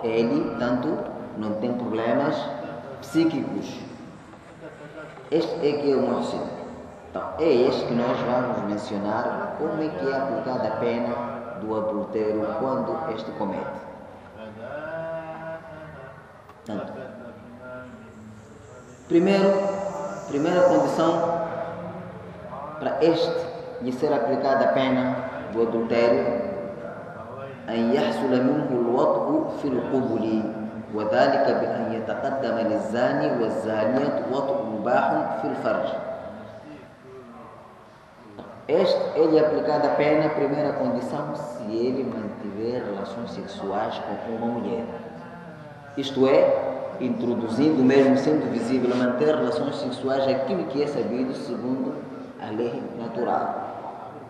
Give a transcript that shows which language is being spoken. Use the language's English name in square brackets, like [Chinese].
[Portuguese] Ele, portanto, não tem problemas psíquicos. Este é que é o Muhsin. Então, é este que nós vamos mencionar, como é que é aplicada a pena do adultério quando este comete. Portanto, primeira condição para este lhe ser aplicada a pena do adultério: [Arabic] أن يحصل منه الوطء في القبول، وذلك بأن يتقدم للزاني والزانية وطء مباح في الفرج. [Portuguese] Este é lhe aplicada a pena, primeira condição, se ele mantiver relações sexuais com uma mulher. Isto é, introduzindo mesmo, sendo visível, manter relações sexuais, aquilo que é sabido segundo a lei natural.